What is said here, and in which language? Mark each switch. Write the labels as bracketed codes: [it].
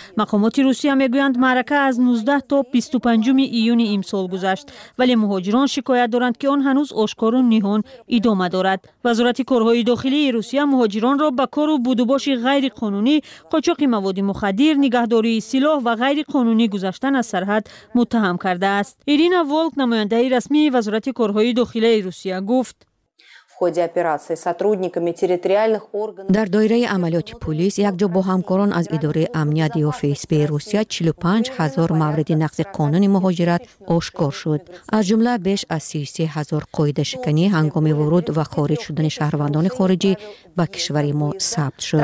[fa] مقامات روسیه میگویند معرکه از 19 تا 25 ایون امسال گذشت، ولی مهاجران شکایت دارند که آن هنوز آشکار و نهان ادامه دارد. وزارت کارهای داخلی روسیه مهاجران را به کار و بودوباش غیر قانونی، قاچاق مواد مخدر، نگهداری سلاح و غیر قانونی گذشتن از سرحد متهم کرده است. ایرینا وولک نماینده رسمی وزارت کارهای داخلی روسیه گفت [ru] ходе операции сотрудниками территориальных органов. [tg] Дар дойраи амалиёти полис як ҷо бо ҳамкорон аз идораи амният ё ФСБ Русия 45000 мавриди нақзи қонуни муҳоҷират ошкор шуд. Аз ҷумла беш аз 33000 қоидашикани ҳангоми вуруд ва хориҷ шудани шаҳрвандони хориҷӣ ба кишвари мо сабт шуд.